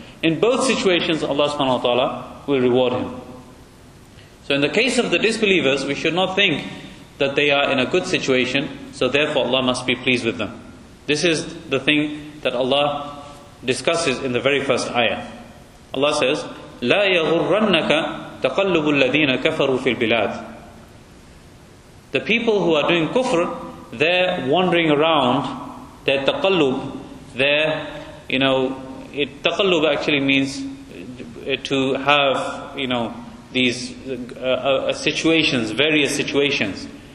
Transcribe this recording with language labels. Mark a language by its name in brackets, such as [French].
[English] In both situations, Allah subhanahu wa ta'ala will reward him. So in the case of the disbelievers, we should not think that they are in a good situation, so therefore Allah must be pleased with them. This is the thing that Allah discusses in the very first ayah. Allah says, [Arabic] لَا يَغُرَّنَّكَ تَقَلُّبُ الَّذِينَ كَفَرُوا فِي الْبِلَادِ. [English] The people who are doing kufr, they're wandering around, their taqallub, their, you know, taqallub actually means to have, you know, these situations, various situations.